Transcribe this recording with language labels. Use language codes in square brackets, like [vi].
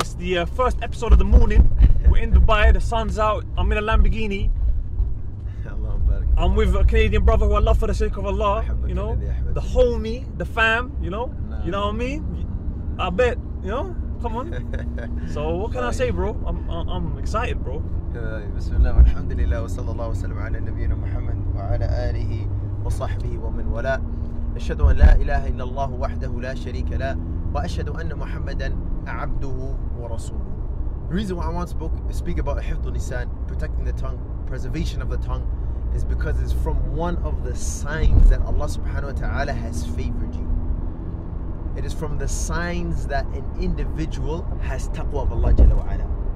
[en] It's the first episode of the morning. We're in Dubai, the sun's out, I'm in a Lamborghini. I'm with a Canadian brother who I love for the sake of Allah, you know? The homie, the fam, you know? You know what I mean? I bet, you know? come on. So what can I say, bro? I'm excited, bro. [ar] بسم الله والحمد لله وصلى الله وسلم على نبينا محمد وعلى آله وصحبه ومن ولا أشهد أن لا إله إلا الله وحده لا شريك له وأشهد أن محمدا عبده ورسوله. [en] The reason why I want to speak about حفظ اللسان, protecting the tongue, preservation of the tongue, is because it's from one of the signs that Allah subhanahu wa ta'ala has favored you. It is from the signs that an individual has taqwa of Allah jalla wa ala.